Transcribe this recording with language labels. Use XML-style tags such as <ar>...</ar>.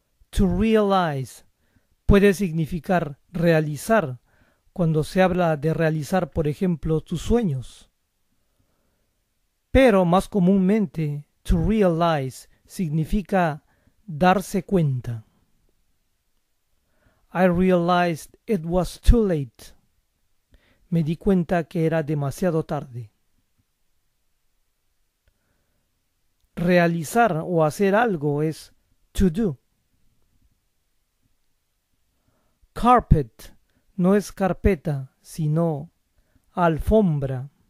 <es>To realize puede significar realizar cuando se habla de realizar, por ejemplo, tus sueños. Pero más comúnmente, to realize significa darse cuenta.</es> <en>I realized it was too late.</en> <es>Me di cuenta que era demasiado tarde. Realizar o hacer algo es to do. Carpet no es carpeta, sino alfombra.</es>